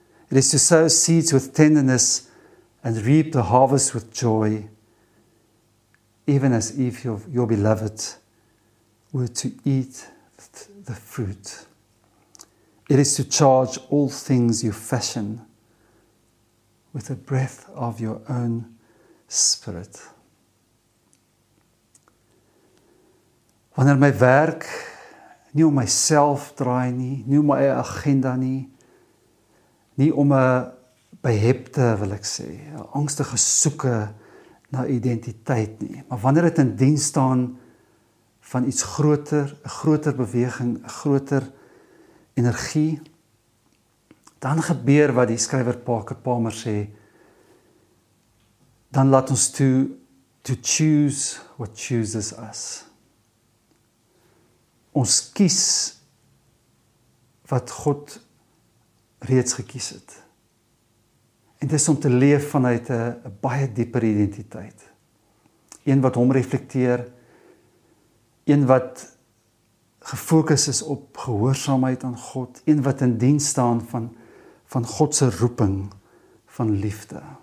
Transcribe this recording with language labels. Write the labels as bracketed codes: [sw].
[en] It is to sow seeds with tenderness and reap the harvest with joy, even as if your beloved were to eat the fruit. It is to charge all things you fashion with the breath of your own spirit. [af] Wanneer my werk nie om myself draai nie, nie om my eie agenda nie, nie om 'n behepte, wil ek sê, 'n angstige soeke na identiteit nie, maar wanneer dit in diens staan van iets groter, 'n groter beweging, 'n groter energie, dan gebeur wat die skrywer Parker Palmer sê, dan laat ons toe [en] to choose what chooses us. [af] Ons kies wat God reeds gekies het. En dit is om te leef vanuit 'n baie dieper identiteit. Een wat hom reflekteer, een wat gefokus is op gehoorsaamheid aan God, een wat in diens staan van God se roeping van liefde.